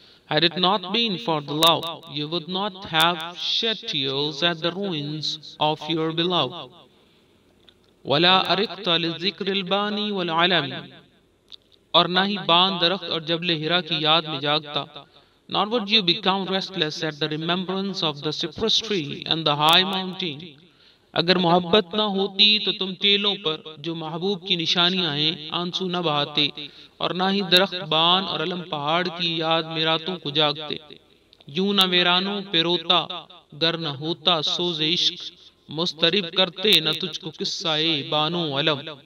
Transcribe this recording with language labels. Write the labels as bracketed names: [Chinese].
[English] Had it not been for the love, you would not have shed tears at the ruins of your beloved. [Arabic] وَلَا أَرِقْتَ لِلذِّكْرِ الْبَانِي وَالْعَلَمِ، [Urdu] اور نہ ہی بان درخت اور جبل ہرا کی یاد میں جاگتا. [English] Nor would you become restless at the remembrance of the cypress tree and the high mountain. [Urdu] اگر محبت نہ ہوتی تو تم ٹیلوں پر جو محبوب کی نشانیاں ہیں آنسو نہ بہاتے، اور نہ ہی درخت بان اور علم پہاڑ کی یاد میں راتوں کو جاگتے. یوں نہ ویرانوں پہ روتا گر نہ ہوتا سوز عشق، مسترب کرتے نہ تجھ کو قصہ اے بانو علم.